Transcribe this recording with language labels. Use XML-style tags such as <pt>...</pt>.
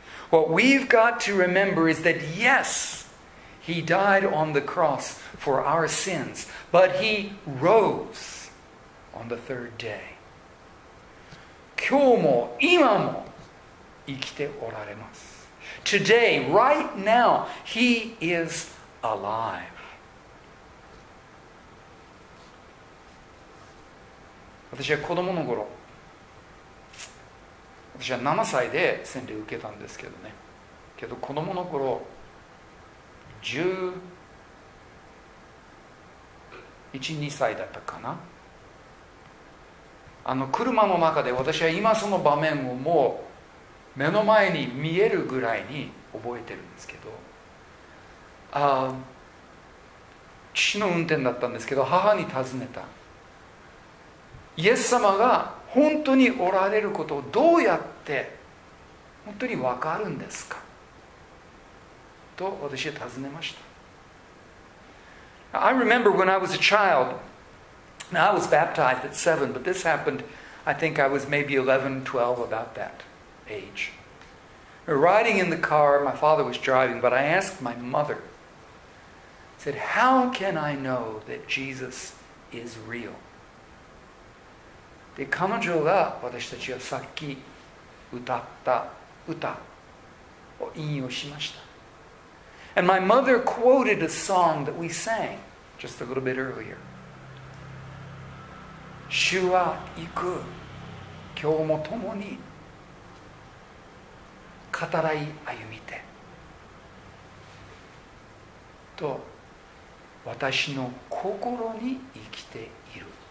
<en>What we've got to remember is that yes, he died on the cross for our sins, but he rose on the third day.</en> <ja>今日も今も生きておられます。</ja> <en>Today, right now, he is alive.</en> <ja>私は子供の頃、私は7歳で洗礼を受けたんですけどね、けど子供の頃11、2歳だったかな、あの車の中で私は今その場面をもう目の前に見えるぐらいに覚えてるんですけど、父の運転だったんですけど、母に尋ねた。イエス様が本当におられることをどうやって本当に分かるんですかと私は尋ねました。</ja> <en>I remember when I was a child, now I was baptized at 7, but this happened, I think I was maybe 11, 12, about that age. We were riding in the car, my father was driving, but I asked my mother, I said, how can I know that Jesus is real?</en> <ja>で彼女が私たちがさっき歌った歌を引用しました。</ja> <en>And my mother quoted a song that we sang just a little bit earlier.</en> <ja>主は行く、今日も共に語らい歩みて。と、私の心に生きている。</ja>